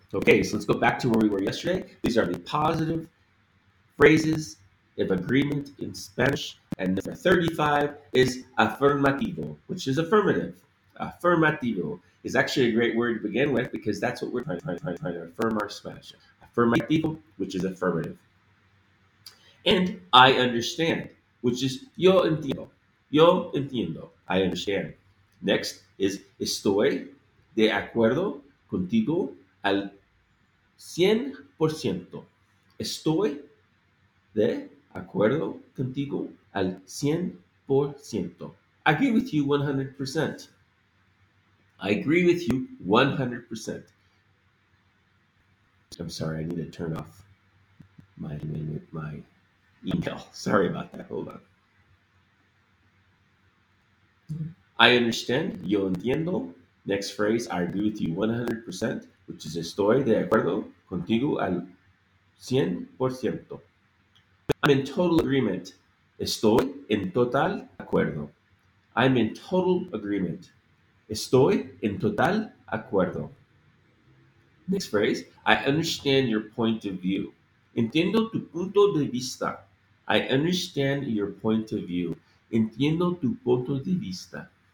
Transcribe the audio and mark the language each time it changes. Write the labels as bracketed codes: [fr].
[en] Okay, so let's go back to where we were yesterday. These are the positive phrases of agreement in Spanish, and number 35 is afirmativo, which is affirmative. Affirmativo is actually a great word to begin with because that's what we're trying to affirm our Spanish. Afirmativo, which is affirmative. And I understand, which is [es] yo entiendo. Yo entiendo. [en] I understand. Next is [es] estoy de acuerdo contigo al 100%. Estoy de acuerdo contigo al 100%. [en] I agree with you 100%. I agree with you 100%. I'm sorry, I need to turn off my email. Sorry about that. Hold on. I understand. [es] Yo entiendo. [en] Next phrase. I agree with you 100%, which is [es] estoy de acuerdo contigo al 100%. [en] I'm in total agreement. [es] Estoy en total acuerdo. [en] I'm in total agreement. [es] Estoy en total acuerdo. [en] Next phrase. I understand your point of view. [es] Entiendo tu punto de vista. [en] I understand your point of view. [es] Entiendo tu punto de vista.